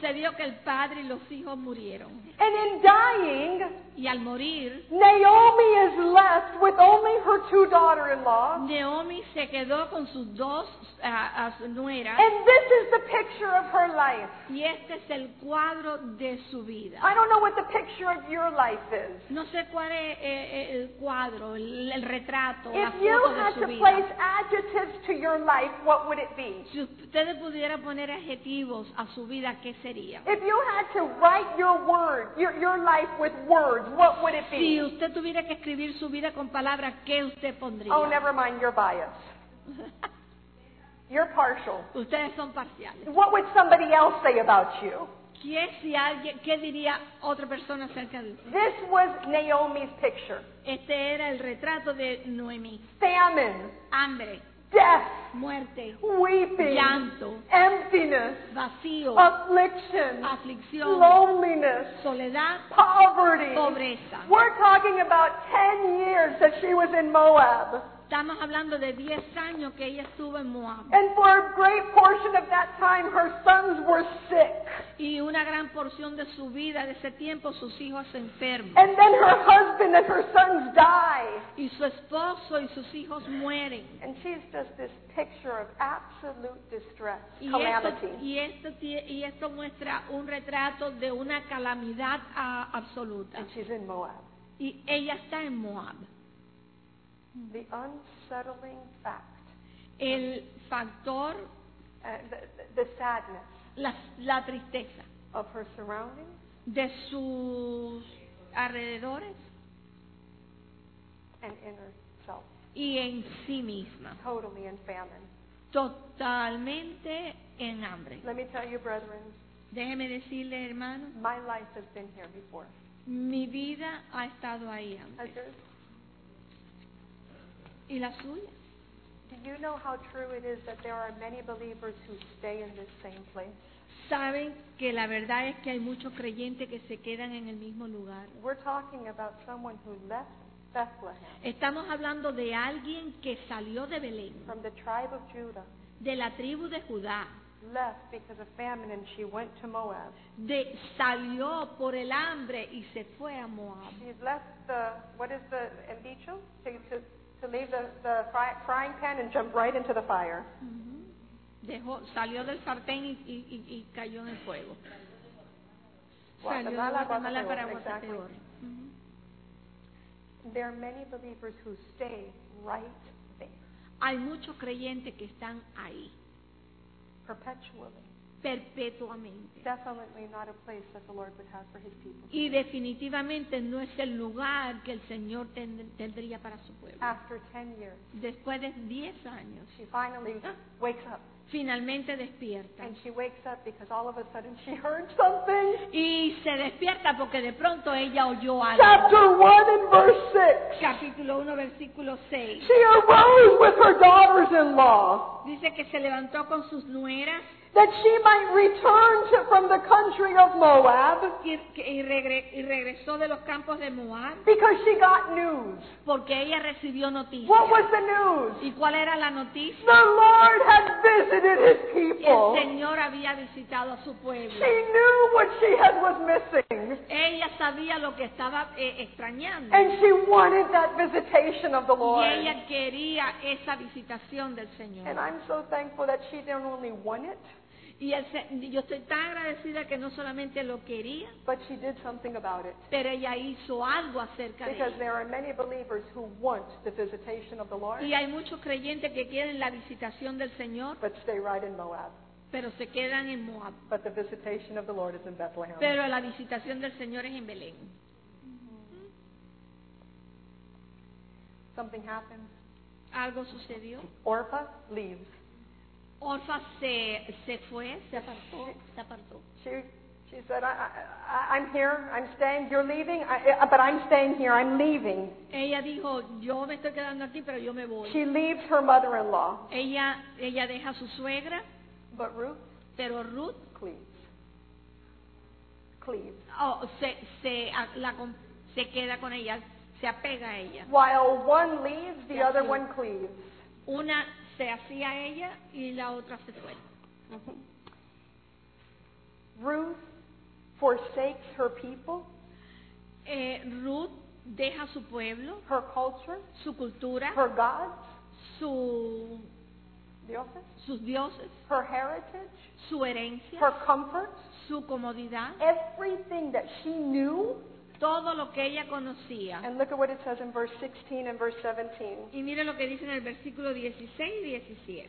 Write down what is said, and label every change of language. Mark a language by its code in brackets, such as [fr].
[es] sucedió que el padre y los hijos murieron. [en] And in dying, [es] y al morir, [en] Naomi is left with only her two daughter-in-law. [es] Naomi se quedó con sus dos nueras. [en] And this is the picture of her life. [es] Y este es el cuadro de su vida. [en] I don't know what the picture of your life is. [es] No sé cuál es el cuadro, el retrato, [en] if [es] la foto de su vida. [en] If you had to place adjectives to your life, what would it be? [es] Si ustedes pudieran poner adjetivos a su vida, ¿qué sería? [en] If you had to write your word, your life with words, what would it be? [es] Si usted tuviera que escribir su vida con palabras, ¿qué usted pondría? [en] Oh, never mind, you're biased. You're partial. [es] Ustedes son parciales. [en] What would somebody else say about you? [es] ¿Qué, si alguien, qué diría otra persona acerca de usted? [en] This was Naomi's picture. [es] Este era el retrato de Noemi. [en] Famine. [es] Hambre. [en] Death, [es] muerte, [en] weeping, [es] llanto, [en] emptiness, [es] vacío, [en] affliction, [es] aflicción, [en] loneliness, [es] soledad, [en] poverty, [es] pobreza. [en] We're talking about 10 years that she was in Moab. [es] Estamos hablando de 10 años que ella estuvo en Moab. [en] And for a great portion of that time, her sons were sick. [es] Y una gran porción de su vida, de ese tiempo, sus hijos enfermos. [en] And then her husband and her sons die. [es] Y su esposo y sus hijos mueren. [en] And she's just this picture of absolute distress, calamity. [es] Y esto muestra un retrato de una calamidad absoluta. [en] And she's in Moab. [es] Y ella está en Moab. [en] The unsettling fact. [es] El factor. [en] The sadness. [es] La tristeza. [en] Of her surroundings. [es] De sus alrededores. [en] And inner self. [es] Y en sí misma. [en] Totally in famine. [es] Totalmente en hambre. [en] Let me tell you, brethren. [es] Déjeme decirle, hermano. [en] My life has been here before. [es] Mi vida ha estado ahí antes. [en] Has yours? [es] ¿Y la suya? [en] Do you know how true it is that there are many believers who stay in this same place? [es] ¿Saben que la verdad es que hay muchos creyentes que se quedan en el mismo lugar? [en] We're talking about someone who left Bethlehem. [es] Estamos hablando de alguien que salió de Belén. [en] From the tribe of Judah. [es] De la tribu de Judá. [en] Left because of famine and she went to Moab. [es] De salió por el hambre y se fue a Moab. [en] She left the, what is the, [es] el dicho? [en] To leave the frying pan and jump right into the fire. Mm-hmm. [es] Dejó, salió del sartén y cayó en el fuego. [en] Well, [es] salió de Guatemala para Guatemala. [en] There are many believers who stay right there. [es] Hay muchos creyentes que están ahí. [en] Perpetually. [es] Perpetuamente. [en] Definitely not a place that the Lord would have for his people. [es] Y definitivamente no es el lugar que el Señor tendría para su pueblo. [en] After 10 years. [es] Después de 10 años. [en] She finally wakes up. [es] Finalmente despierta. [en] And she wakes up because all of a sudden she heard something. [es] Y se despierta porque de pronto ella oyó algo. [en] Chapter 1 and verse 6. [es] Capítulo 1, versículo 6. [en] She arose with her daughters-in-law. [es] Dice que se levantó con sus nueras. [en] That she might return to, from the country of Moab. [es] Y regresó de los campos de Moab. [en] Because she got news. [es] Porque ella recibió noticias. [en] What was the news? [es] ¿Y cuál era la noticia? [en] The Lord had visited his people. [es] El Señor había visitado a su pueblo. [en] She knew what she had was missing. [es] Ella sabía lo que estaba extrañando. [en] And she wanted that visitation of the Lord. [es] Y ella quería esa visitación del Señor. [en] And I'm so thankful that she didn't only want it. [es] Y yo estoy tan agradecida que no solamente lo quería, [en] but she did something about it. [es] Pero ella hizo algo acerca [en] because [es] de ella. [en] There are many believers who want the visitation of the Lord, [es] y hay muchos creyentes que quieren la visitación del Señor, [en] but stay right in Moab. [es] Pero se quedan en Moab. [en] But the visitation of the Lord is in Bethlehem. [es] Pero la visitación del Señor es en Belén. Mm-hmm. [en] Something happens. [es] Algo sucedió. [en] Orpa leaves. [es] Orfa se fue, se apartó. [en] She said, I'm here, I'm staying, you're leaving, but I'm staying here, I'm leaving. [es] Ella dijo, yo me estoy quedando aquí, pero yo me voy. [en] She leaves her mother-in-law. [es] Ella deja su suegra. [en] But Ruth. [es] Pero Ruth. [en] Cleaves. [es] Oh, se queda con ella, se apega a ella. [en] While one leaves, the other one cleaves. [es] Una se hacía ella y la otra se fue. [en] Ruth forsakes her people. [es] Ruth deja su pueblo. [en] Her culture. [es] Su cultura. [en] Her gods. [es] Su dioses. Sus dioses. [en] Her heritage. [es] Su herencia. [en] Her comforts. [es] Su comodidad. [en] Everything that she knew. [es] Todo lo que ella conocía. [en] And look at what it says in verse 16 and verse 17. [es] Y mire lo que dice en el versículo 16 y 17.